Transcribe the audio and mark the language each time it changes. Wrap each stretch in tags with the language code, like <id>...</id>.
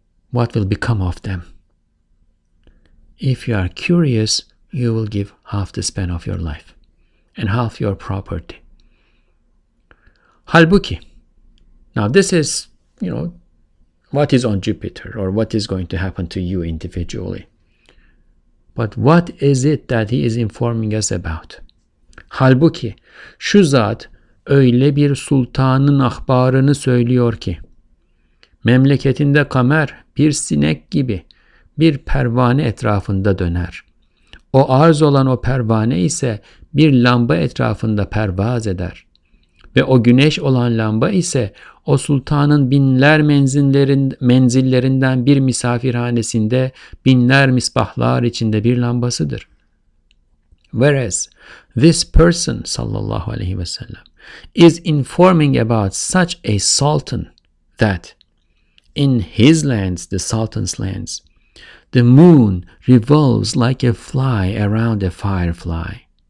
<en>What will become of them? If you are curious, you will give half the span of your life and half your property.</en> <tr>Halbuki,</tr> <en>now this is, you know, what is on Jupiter or what is going to happen to you individually. But what is it that he is informing us about?</en> <tr>Halbuki, şu zat öyle bir sultanın ahbarını söylüyor ki, memleketinde kamer bir sinek gibi bir pervane etrafında döner. O arz olan o pervane ise bir lamba etrafında pervaz eder. Ve o güneş olan lamba ise o sultanın binler menzillerinden bir misafirhanesinde binler misbahlar içinde bir lambasıdır.</tr> <en>Whereas this person sallallahu aleyhi ve sellem is informing about such a sultan that in his lands, the sultan's lands, the moon revolves like a fly around a firefly.</en>